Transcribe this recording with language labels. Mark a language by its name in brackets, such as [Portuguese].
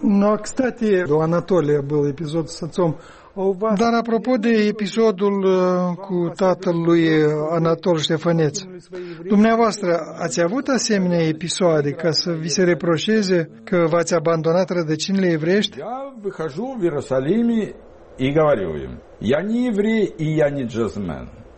[Russian] Ну, а, кстати, у Анатолия был эпизод с отцом. [Romanian] Dar apropo de episodul cu tatăl lui Anatol Ștefăneț, dumneavoastră ați avut asemenea episoade ca să vi se reproșeze că v-ați abandonat rădăcinile evreiești? [Russian] Я выхожу в Иерусалим и говорю им: "Я не еврей и я не джазмен".